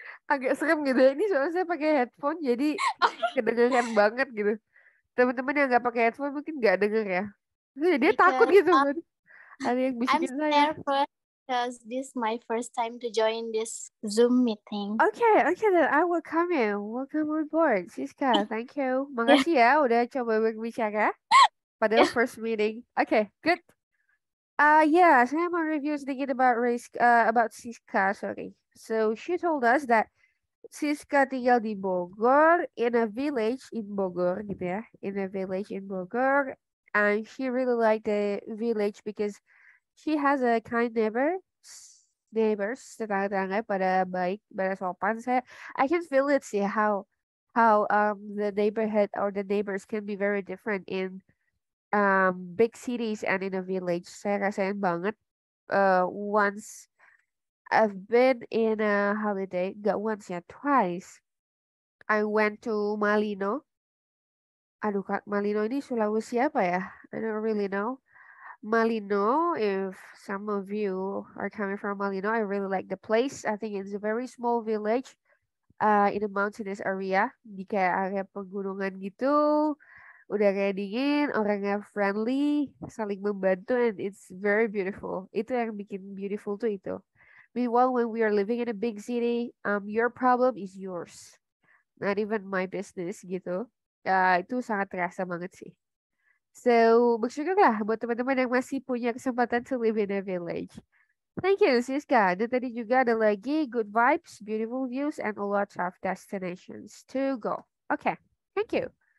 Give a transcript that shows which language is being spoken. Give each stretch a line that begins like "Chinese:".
Indonesian: Agak serem gitu. Ini soalnya saya pakai headphone, jadi kedengeran banget gitu. Teman-teman yang nggak pakai headphone mungkin nggak denger ya. Jadi dia takut gitu. Ada yang bisikin saya.
English: I'm nervous because this is my first time to join this Zoom meeting. Okay, okay, then I will come in. Welcome on board, Siska. Thank you.
Indonesian: Makasih ya, udah coba berbicara pada
English: first meeting. Okay, good. Yeah, so I'm on review
Indonesian: sedikit
English: about Siska, sorry. So she told us that Siska
Indonesian: tinggal di Bogor,
English: in a village in Bogor,
Indonesian: gitu ya.
English: In a village in Bogor. And she really liked the village because she has a kind neighbors,
Indonesian: tetangga-tetangga pada baik, pada sopan.
English: I can feel it, see how the neighborhood or the neighbors can be very different in big cities and in a village.
Indonesian: Saya rasain banget.
English: Once I've been in a holiday,
Indonesian: gak
English: once
Indonesian: ya,
English: twice. I went to Malino.
Indonesian: Aduh, Malino ini Sulawesi apa ya?
English: I don't really know. Malino, if some of you are coming from Malino, I really like the place. I think it's a very small village in a mountainous area.
Indonesian: Di kayak area pegunungan gitu. Udah kayak dingin, orangnya friendly, saling membantu,
English: and it's very beautiful.
Indonesian: Itu yang bikin beautiful tuh itu.
English: Meanwhile, when we are living in a big city, your problem is yours. Not even my business
Indonesian: gitu. Itu sangat terasa banget sih.
English: So,
Indonesian: bersyukurlah buat teman-teman yang masih punya kesempatan
English: to live in a village. Thank you, Siska.
Indonesian: Dan tadi juga ada lagi
English: good vibes, beautiful views, and a lot of destinations to go. Okay, thank you.